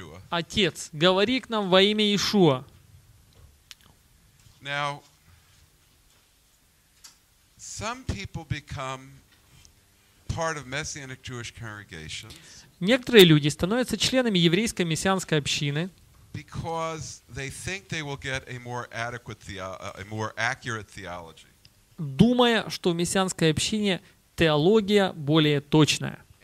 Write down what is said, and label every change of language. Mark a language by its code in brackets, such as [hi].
[ru] Отец, говори к нам во имя Иешуа. [en] Now, some people become part of messianic Jewish congregations. [ru] Некоторые люди становятся членами еврейской мессианской общины. [en] Because they think they will get a more adequate, a more accurate theology. [ru] Думая, что в мессианской общине теология более точная.